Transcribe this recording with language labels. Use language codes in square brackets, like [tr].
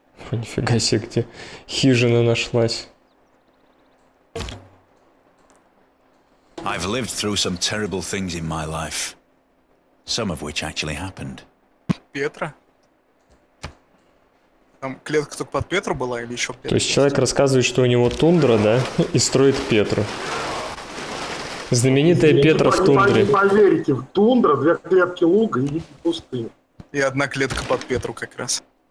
[ru] О, нифига себе, где хижина нашлась. [en] I've lived through some terrible things in my life. Some of which actually happened. [ru] Петра? Там клетка только под Петру была или еще Петру? То есть человек рассказывает, что у него тундра, да? И строит Петру. Знаменитая я Петра в тундре. Не поверите, в тундра две клетки луга и пустыня. И одна клетка под Петру как раз.